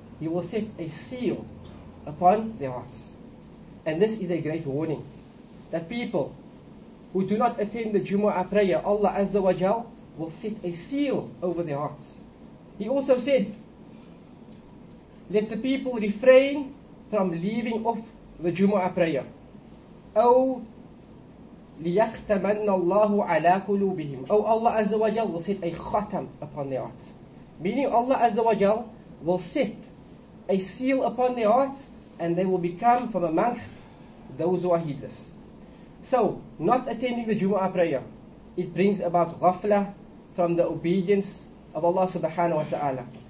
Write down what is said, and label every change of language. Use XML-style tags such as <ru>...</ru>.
<en>He will set a seal upon their hearts. And this is a great warning, that people who do not attend the Jumu'ah prayer, Allah Azza wa Jal will set a seal over their hearts. He also said, let the people refrain from leaving off the Jumu'ah prayer.</en> <ar>أو ليختمن الله على قلوبهم.</ar> <en>Oh, Allah Azza wa Jal will set a khatam upon their hearts. Meaning Allah Azza wa Jal will set a seal upon their hearts, and they will become from amongst those who are heedless. So, not attending the Jumu'ah prayer, it brings about ghafla from the obedience of Allah subhanahu wa ta'ala.</en>